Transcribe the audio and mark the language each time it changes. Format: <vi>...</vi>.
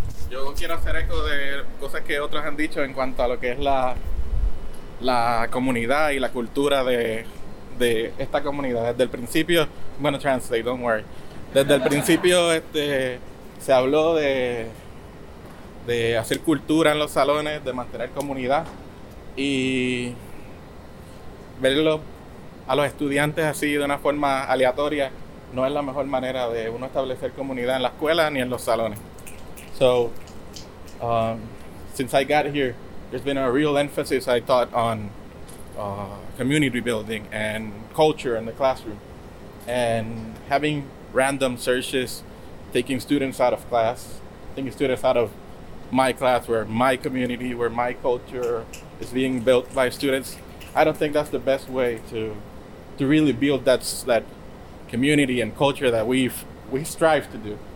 <es>Yo quiero hacer eco de cosas que otros han dicho en cuanto a lo que es la comunidad y la cultura de esta comunidad. Desde el principio,</es> <en>I'm going to translate, don't worry.</en> <es>Desde el principio se habló de hacer cultura en los salones, de mantener comunidad y verlo a los estudiantes así de una forma aleatoria no es la mejor manera de uno establecer comunidad en la escuela ni en los salones.</es> <en>So, since I got here, there's been a real emphasis, I thought, on community building and culture in the classroom. And having random searches, taking students out of class, taking students out of my class, where my community, where my culture is being built by students, I don't think that's the best way to really build that community and culture that we strive to do.</en>